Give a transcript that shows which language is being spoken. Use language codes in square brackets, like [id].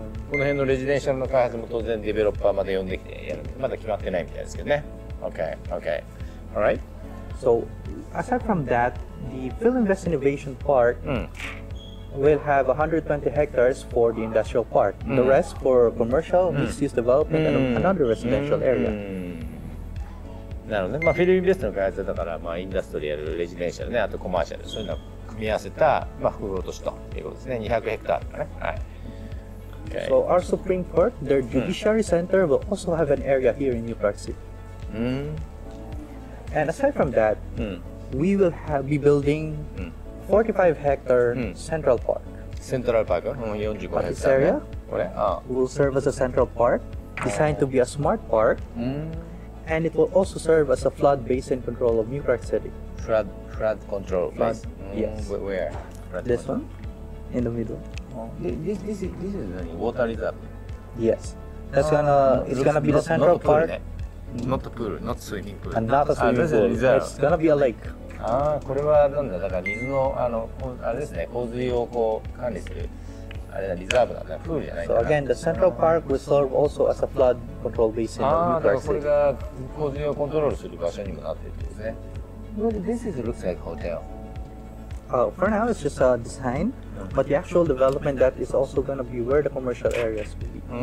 [ja] この辺のレジデンシャルの開発も当然デベロッパーまで呼んできてやる。まだ決まってないみたいですけどね。 [en] Okay, okay, all right. So aside from that, the PhilInvest Innovation Park. We'll have 120 hectares for the industrial part. The rest for commercial, mixed-use development, and another residential area. [ja] なるほどね。まあ、フィリピンベストの開発だから、まあ、インダストリアル、レジデンシャルね、あとコマーシャル、そういうのを組み合わせた、まあ、複合都市ということですね。 200ヘクタールかね。はい。 [en] Okay. So, our Supreme Court, their Judiciary Center, will also have an area here in New York City. And aside from that, we will be building 45 hectare Central Park. Central Park? 45 hectare. This area will serve as a central park, designed to be a smart park, and it will also serve as a flood basin control of New York City. Flood control basin? Yes. Where? This one? In the middle. This is water reserve? Yes. That's gonna, it's gonna be the central park. Not a pool, not swimming pool. And not a swimming pool. It's gonna be a lake. [ja] これはなんだ、だから水の、あれですね、洪水をこう管理する、あリザーブなんだ、プールじゃないんだ。 [en] So again, the central park will serve also as a flood control basin of New York City. [ja] ああ、これが洪水をコントロールする場所にもなっているんですね。 [en] Well, this is looks like hotel. For now, it's just a design, but the actual development that is also going to be where the commercial areas will be.